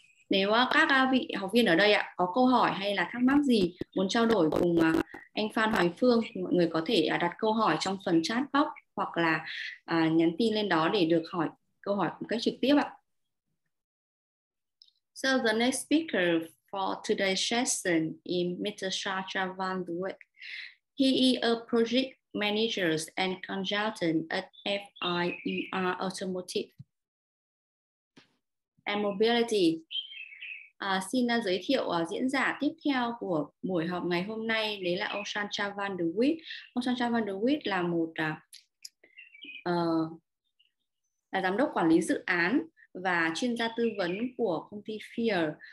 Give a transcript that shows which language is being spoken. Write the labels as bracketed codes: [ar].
[vi] Nếu các vị học viên ở đây ạ có câu hỏi hay là thắc mắc gì muốn trao đổi cùng anh Phan Hoài Phương thì mọi người có thể đặt câu hỏi trong phần chat box hoặc là nhắn tin lên đó để được hỏi câu hỏi một cách trực tiếp ạ. [en] So the next speaker for today's session is Mr. Sacha Van Duyck. He is a project manager and consultant at FIER Automotive and Mobility. [vi] Xin giới thiệu diễn giả tiếp theo của buổi họp ngày hôm nay, đấy là ông Sacha Van Duyck. Ông Sacha Van Duyck là một là giám đốc quản lý dự án và chuyên gia tư vấn của công ty FIER.